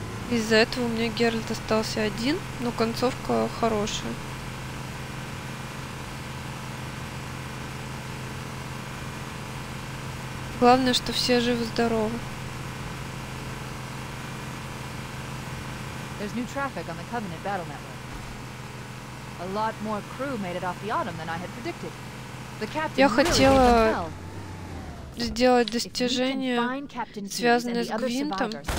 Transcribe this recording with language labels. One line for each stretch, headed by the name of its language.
Russian: Из-за этого у меня Геральт остался один, но концовка хорошая. Главное, что все живы-здоровы.
English: There's new traffic on the Covenant battle network. A lot more crew made it off the Autumn than I had predicted. The captain really can tell.
Russian: Сделать достижение, связанное с Гвинтом.